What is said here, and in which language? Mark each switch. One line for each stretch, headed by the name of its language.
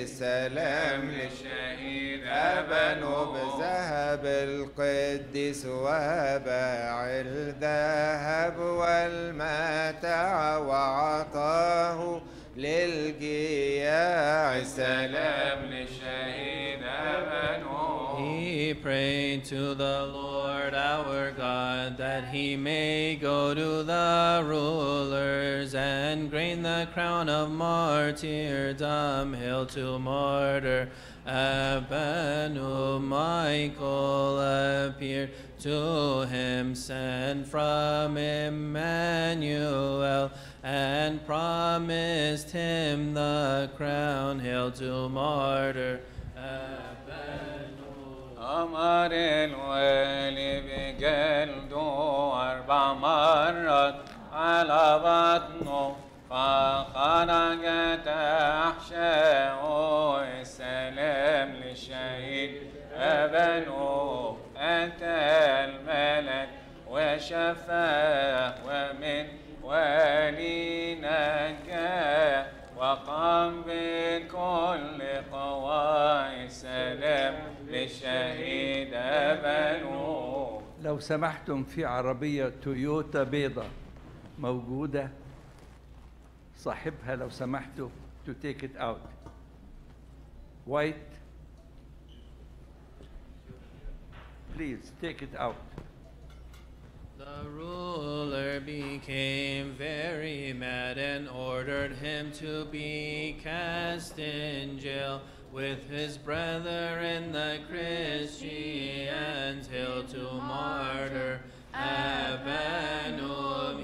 Arabic: السلام للشهيد أبانو بذهب القدس وباع الذهب والمتع وعطاه للجياع السلام للشهيد أبانو.
English: We pray to the Lord our God that he may go to the rulers and gain the crown of martyrdom. Hail to martyr Abanum. Michael appeared to him, sent from Emmanuel, and promised him the crown. Hail to martyr Abanum.
Arabic: أمر الولي بجلده أربع مرات على بطنه فخرجت أحشاءه السلام للشهيد أبانو. أتى الملك وشفاه ومن ولي نجاه وقام بكل قوى السلام للشهيد أبانو. لو سمحتم في عربية تويوتا بيضة موجودة صاحبها لو سمحتوا
English: to take it out
Arabic: white please take it out.
English: The ruler became very mad and ordered him to be cast in jail with his brethren the Christians. Hail to martyr Abanum.